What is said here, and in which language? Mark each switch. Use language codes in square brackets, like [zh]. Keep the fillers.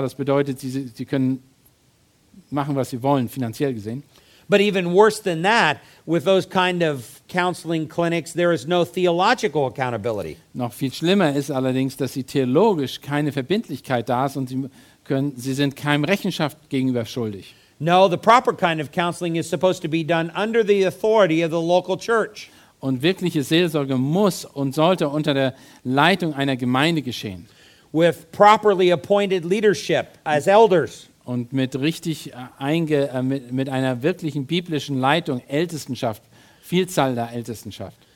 [de] Das bedeutet, sie, sie können machen, was sie wollen, finanziell gesehen. [en] But even worse than that, with those kind of counseling clinics, there is no theological accountability. [de] Noch viel schlimmer ist allerdings, dass sie theologisch keine Verbindlichkeit da ist und sie können, sie sind keinem Rechenschaft gegenüber schuldig. [en] No, the proper kind of counseling is supposed to be done under the authority of the local church. [de] Und wirkliche Seelsorge muss und sollte unter der Leitung einer Gemeinde geschehen. [en] With properly appointed leadership as elders [de] und mit, einge, äh, mit, mit einer wirklichen biblischen Leitung Ältestenschaft, Vielzahl der Ältestenschaft.